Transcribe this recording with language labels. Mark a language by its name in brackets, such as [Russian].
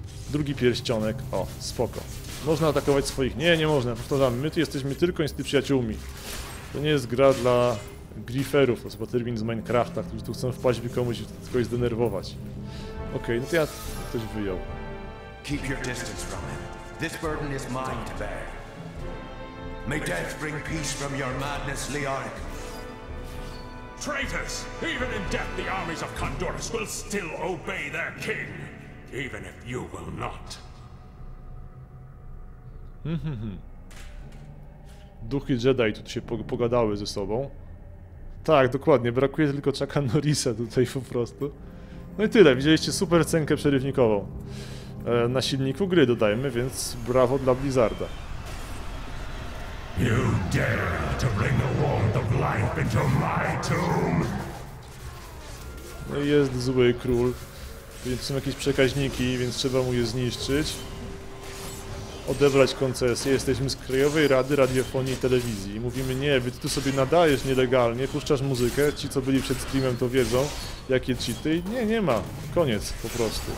[Polish] Drugi pierścionek, o, spoko. Można atakować swoich, nie można, powtarzam, my tu jesteśmy tylko niestety przyjaciółmi. To nie jest gra dla griferów, to jest termin z Minecrafta, którzy tu chcą wpaść i komuś tylko zdenerwować. Okej, okay, no to ja ktoś wyjął. [English] Keep your distance from him. This burden is mine to bear. May death bring peace from your madness, Leoric. Traitors! Even in death, the armies of Condorus will still obey their king, even if you will not. [Polish] Duchy Jedi tu się pogadały ze sobą. Tak, dokładnie, brakuje tylko Chucka Norrisa tutaj po prostu. No i tyle, widzieliście super scenkę przerywnikową. Na silniku gry dodajmy, więc brawo dla Blizzarda. [English] You dare to bring the warmth of life into my tomb? [Polish] No jest zły król. Więc są jakieś przekaźniki, więc trzeba mu je zniszczyć. Odebrać koncesję. Jesteśmy z Krajowej Rady Radiofonii i Telewizji. Mówimy nie, bo ty tu sobie nadajesz nielegalnie, puszczasz muzykę. Ci, co byli przed streamem, to wiedzą, jakie cheaty. Nie, nie ma. Koniec po prostu.